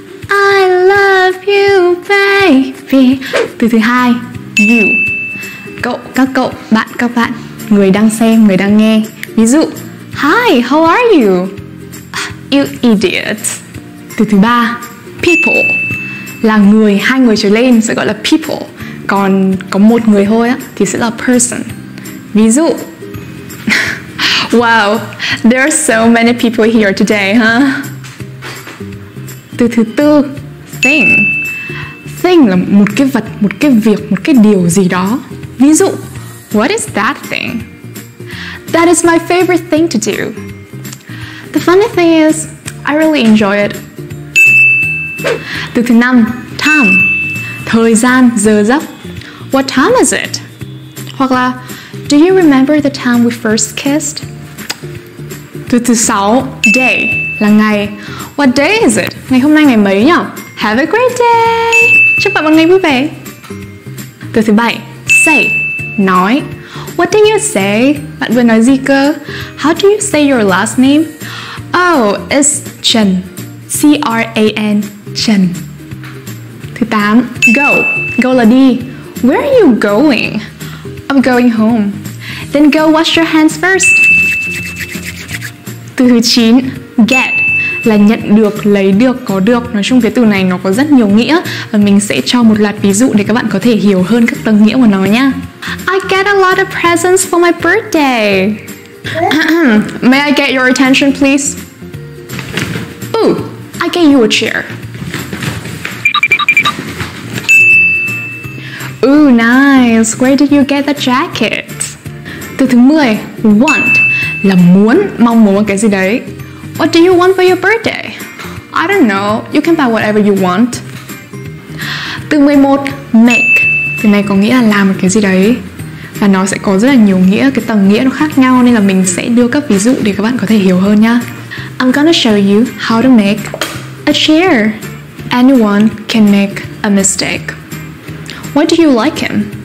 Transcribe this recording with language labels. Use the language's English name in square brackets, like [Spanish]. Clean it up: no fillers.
[English] I love you, baby. [Vietnamese] Từ thứ hai, you, cậu, các cậu, bạn, các bạn. Người đang xem, người đang nghe. Ví dụ, [English] hi, how are you? You idiot. [Vietnamese] Từ thứ ba, people, là người, hai người trở lên sẽ gọi là people. Còn có một người thôi á, thì sẽ là person. Ví dụ, [English] wow, there are so many people here today, huh? [Vietnamese] Từ thứ tư, thing. Thing là một cái vật, một cái việc, một cái điều gì đó. Ví dụ, [English] what is that thing? That is my favorite thing to do. The funny thing is, I really enjoy it. [Vietnamese] Từ thứ năm, time. Thời gian, giờ giấc. [English] What time is it? [Vietnamese] Hoặc là, [English] do you remember the time we first kissed? [Vietnamese] Từ thứ sáu, day, là ngày. [English] What day is it? [Vietnamese] Ngày hôm nay ngày mấy nhỉ? [English] Have a great day! [Vietnamese] Chúc bạn một ngày vui vẻ! Từ thứ bảy, say, nói. [English] What do you say? [Vietnamese] Bạn vừa nói gì cơ? [English] How do you say your last name? Oh, it's Trần. C-R-A-N, Trần. [Vietnamese] Thứ tám, go. Go là đi. [English] Where are you going? I'm going home. Then go wash your hands first. [Vietnamese] Từ thứ 9, get, là nhận được, lấy được, có được. Nói chung cái từ này nó có rất nhiều nghĩa và mình sẽ cho một loạt ví dụ để các bạn có thể hiểu hơn các tầng nghĩa của nó nha. [English] I get a lot of presents for my birthday. May I get your attention, please? Ooh, I get you a chair. Ooh, nice. Where did you get the jacket? [Vietnamese] Từ thứ 10, want, là muốn, mong muốn cái gì đấy. [English] What do you want for your birthday? I don't know. You can buy whatever you want. [Vietnamese] Từ 11, make. Từ này có nghĩa là làm một cái gì đấy. Và nó sẽ có rất là nhiều nghĩa, cái tầng nghĩa nó khác nhau nên là mình sẽ đưa các ví dụ để các bạn có thể hiểu hơn nha. [English] I'm gonna show you how to make a chair. Anyone can make a mistake. Why do you like him?